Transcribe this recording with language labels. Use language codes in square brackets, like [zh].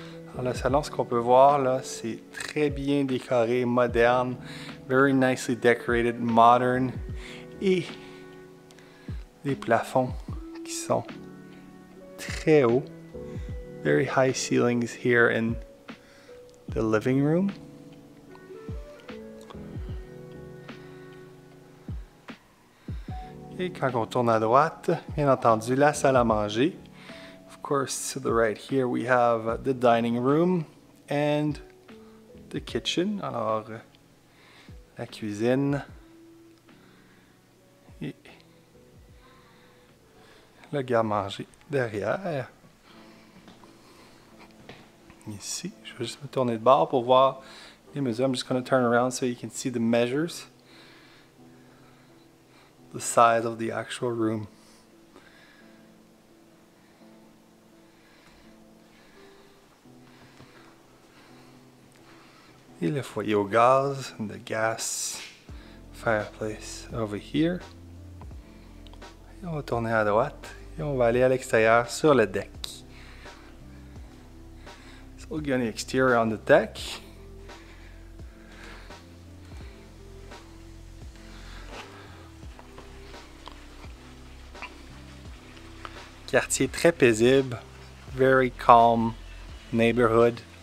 [fr] Alors, le salon, ce qu'on peut voir là, c'est très bien décoré, moderne, [en] very nicely decorated, modern, [fr] et les plafonds qui sont très hauts, [en] very high ceilings here in the living room. [fr] Et quand on tourne à droite, bien entendu, la salle à manger. [en] Of course, to the right here, we have the dining room and the kitchen. [fr] Alors, la cuisine et le garde-manger derrière. Ici, je vais juste me tourner de bord pour voir les mesures. [en] I'm just going to turn around so you can see the measures. The size of the actual room. [fr] Et le foyer au gaz [en] and the gas fireplace over here. [fr] Et on va tourner à droite et on va aller à l'extérieur sur le deck. [en] So we'll get the exterior on the deck. [fr] Quartier très paisible, [en] very calm neighborhood.